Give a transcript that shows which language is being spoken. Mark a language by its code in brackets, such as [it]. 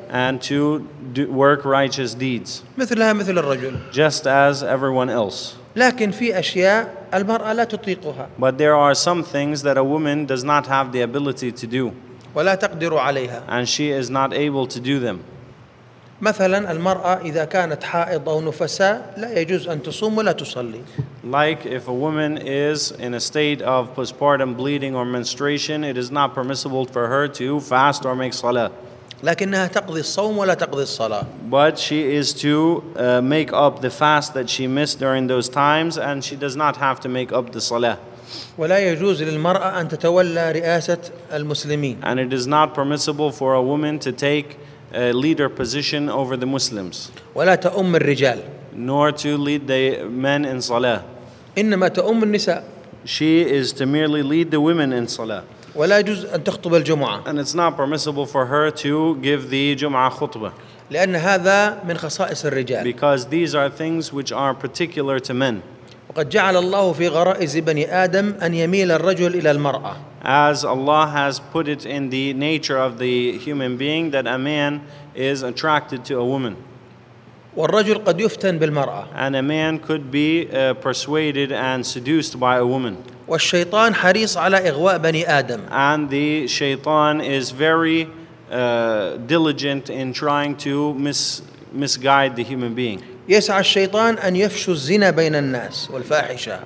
[en] And to work righteous deeds. [ar] مثلها مثل الرجل. [en] Just as everyone else. [ar] لكن في أشياء المرأة لا تطيقها. [en] But there are some things that a woman does not have the ability to do. [ar] ولا تقدر عليها. [en] And she is not able to do them. [ar] مثلا المرأة إذا كانت حائض أو نفساء لا يجوز أن تصوم ولا تصلي. [en] Like if a woman is in a state of postpartum bleeding or menstruation, it is not permissible for her to fast or make salah. [ar] لكنها تقضي الصوم ولا تقضي الصلاة. [en] But she is to make up the fast that she missed during those times, and she does not have to make up the salah. [ar] ولا يجوز للمرأة أن تتولى رئاسة المسلمين. [en] And it is not permissible for a woman to take a leader position over the Muslims. [ar] ولا تؤم الرجال. [en] Nor to lead the men in salah. [ar] إنما تؤم النساء. [en] She is to merely lead the women in salah. [ar] ولا يجوز أن تخطب الجمعة. [en] And it's not permissible for her to give the Jum'ah khutbah. [ar] لأن هذا من خصائص الرجال. [en] Because these are things which are particular to men. [ar] وقد جعل الله في غرائز بني آدم أن يميل الرجل إلى المرأة. [en] As Allah has put it in the nature of the human being that a man is attracted to a woman. [ar] والرجل قد يفتن بالمرأة. [en] And a man could be persuaded and seduced by a woman. [ar] والشيطان حريص على إغواء بني آدم. [en] And the shaitan is very diligent in trying to misguide the human being. [ar] يسعى الشيطان أن يفشو الزنا بين الناس والفاحشة.